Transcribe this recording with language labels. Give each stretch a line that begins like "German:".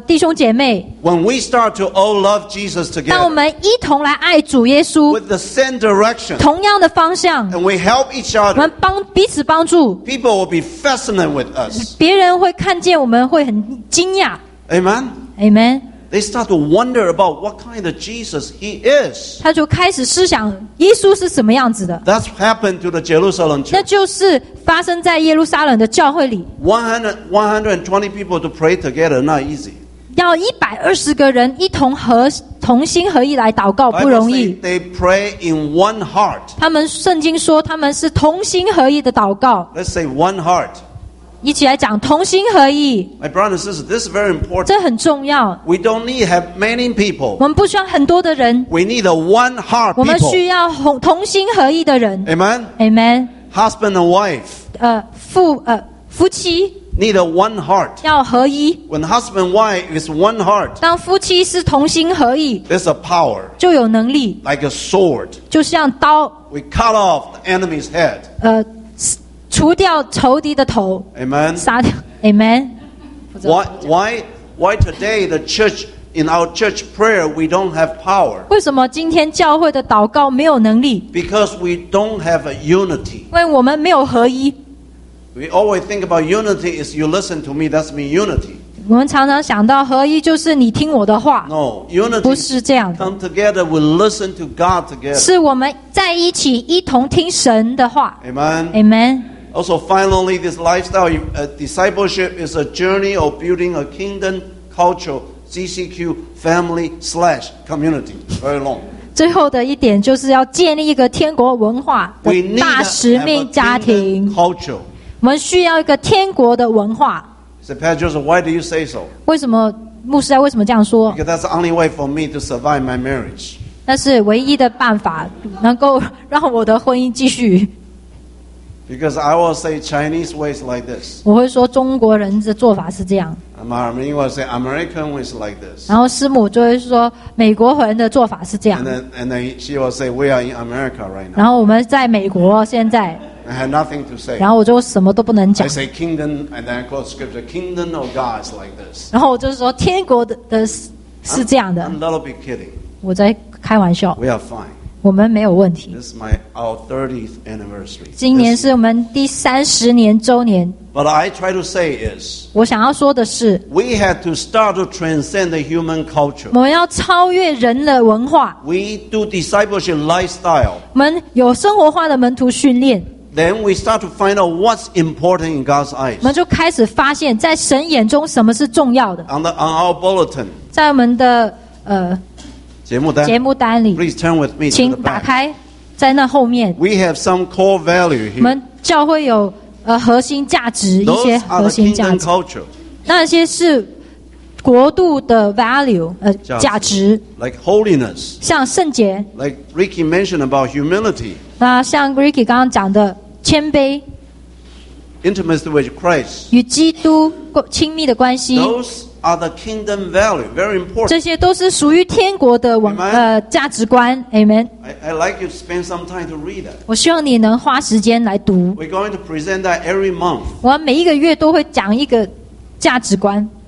Chinese: 弟兄姐妹
English: When we start to all love Jesus together,
Chinese: 当我们一同来爱主耶稣
English: With the same direction,
Chinese: 同样的方向
English: And we help each other,
Chinese: 我们彼此帮助
English: People will be fascinated with us.
Chinese: 别人会看见我们会很惊讶
English: Amen? Amen? They start to wonder about what kind of Jesus he is.
Chinese: 他就开始思想耶稣是什么样子的。
English: That's happened to the Jerusalem church.
Chinese: 那就是发生在耶路撒冷的教会里。
English: 120 people to pray together, not easy.
Chinese: 要120个人一同同心合意来祷告不容易。
English: They pray in one heart.
Chinese: 他们圣经说他们是同心合意的祷告。
English: Let's say one heart.
Chinese: 一起来讲同心合意
English: My brother and sister, this is very important.
Chinese: 这很重要
English: We don't need have many people.
Chinese: 我们不需要很多的人
English: We need a one heart people.
Chinese: 我们需要同心合意的人
English: Amen? Amen. Husband and wife.
Chinese: 夫妻
English: Need a one heart.
Chinese: 要合一
English: When husband and wife is one heart.
Chinese: 当夫妻是同心合意
English: There's a power.
Chinese: 就有能力
English: Like a sword.
Chinese: 就像刀
English: We cut off the enemy's head.
Chinese: 除掉仇敌的头
English: Amen.
Chinese: 杀掉 Amen.
English: Why today the church in our church prayer we don't have power?
Chinese: 为什么今天教会的祷告没有能力
English: Because we don't have a unity.
Chinese: 因为我们没有合一
English: We always think about unity is you listen to me, that's mean unity.
Chinese: 我们常常想到合一就是你听我的话
English: No, unity
Chinese: 不是这样
English: Come together, we listen to God together.
Chinese: 是我们在一起一同听神的话
English: Amen. Amen. Also, finally, this lifestyle discipleship is a journey of building a kingdom culture, CCQ family / community. Very long.
Chinese: 最后的一点就是要建立一个天国文化的大使命家庭。
English: Culture.
Chinese: 我们需要一个天国的文化。
English: So, Pastor Joseph, why do you say so?
Chinese: 为什么牧师啊？为什么这样说
English: ？Because that's the only way for me to survive my marriage.
Chinese: 那是唯一的办法，能够让我的婚姻继续。
English: Because I will say Chinese ways like this.
Chinese: 我会说中国人的做法是这样。
English: Marmy will say American ways like this.
Chinese: 然后师母就会说美国人的做法是这样。
English: And then she will say we are in America right now.
Chinese: 然后我们在美国现在。
English: I have nothing to say.
Chinese: 然后我就什么都不能讲。
English: I say kingdom, and then I quote scripture, kingdom of God is like this.
Chinese: 然后我就是说天国的是这样的。
English: I'm a little bit kidding.
Chinese: 我在开玩笑。
English: We are fine.
Chinese: 我们没有问题。
English: This is my our 30th anniversary.
Chinese: 今年是我们第三十年周年。
English: But I try to say is.
Chinese: 我想要说的是。
English: We had to start to transcend the human culture.
Chinese: 我们要超越人的文化。
English: We do discipleship lifestyle.
Chinese: 我们有生活化的门徒训练。
English: Then we start to find out what's important in God's eyes.
Chinese: 我们就开始发现，在神眼中什么是重要的。
English: On our bulletin.
Chinese: 在我们的节目单里。
English: Please turn with me.
Chinese: 请打开，在那后面。
English: We have some core value here.
Chinese: 我们教会有核心价值一些核心价值。
English: Those are the kingdom culture.
Chinese: 那些是国度的 value 价值。
English: Like holiness.
Chinese: 像圣洁。
English: Like Ricky mentioned about humility.
Chinese: 那像 Ricky 刚刚讲的谦卑
English: Intimacy with Christ
Chinese: 与基督亲密的关系
English: Those are the kingdom value, very important
Chinese: 这些都是属于天国的价值观 Amen
English: I'd like you to spend some time to read that
Chinese: 我希望你能花时间来读
English: We're going to present that every month
Chinese: 我每一个月都会讲一个价值观